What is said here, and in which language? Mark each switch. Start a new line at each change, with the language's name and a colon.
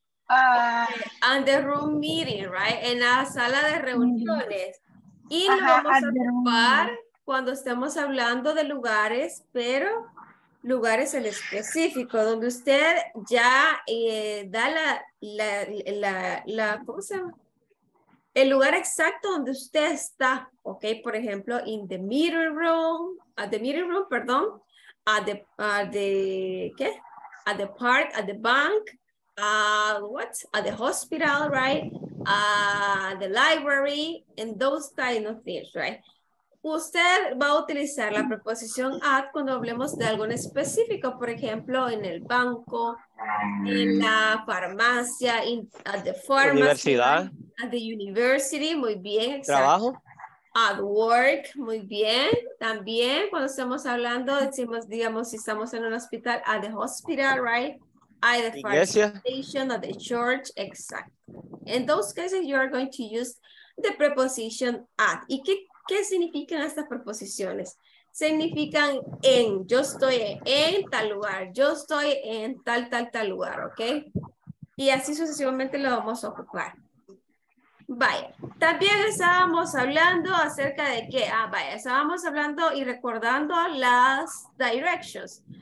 English: Okay. And the room meeting, right?
Spanish: En la sala de reuniones. Y lo vamos a ocupar cuando estemos hablando de lugares, pero lugares en específico, donde usted ya da la, ¿cómo se llama? El lugar exacto donde usted está, ¿ok? Por ejemplo,
English: in the meeting room, at the park, at the bank, what? At the hospital, right? The library, and those kind of things, right?
Spanish: Usted va a utilizar la preposición at cuando hablemos de algo en específico, por ejemplo, en el banco, en la farmacia,
English: at the pharmacy.
Spanish: Universidad.
English: At the university,
Spanish: muy bien. Exacto. Trabajo.
English: At work,
Spanish: muy bien. También cuando estamos hablando, decimos, digamos, si estamos en un hospital,
English: at the hospital, right? At the foundation of the church,
Spanish: exacto.
English: In those cases, you are going to use the preposition at.
Spanish: ¿Y qué significan estas preposiciones? Significan en, yo estoy en tal lugar, yo estoy en tal, tal, tal lugar, ¿ok? Y así sucesivamente lo vamos a ocupar. Vaya, también estábamos hablando acerca de qué, estábamos hablando y recordando las directions.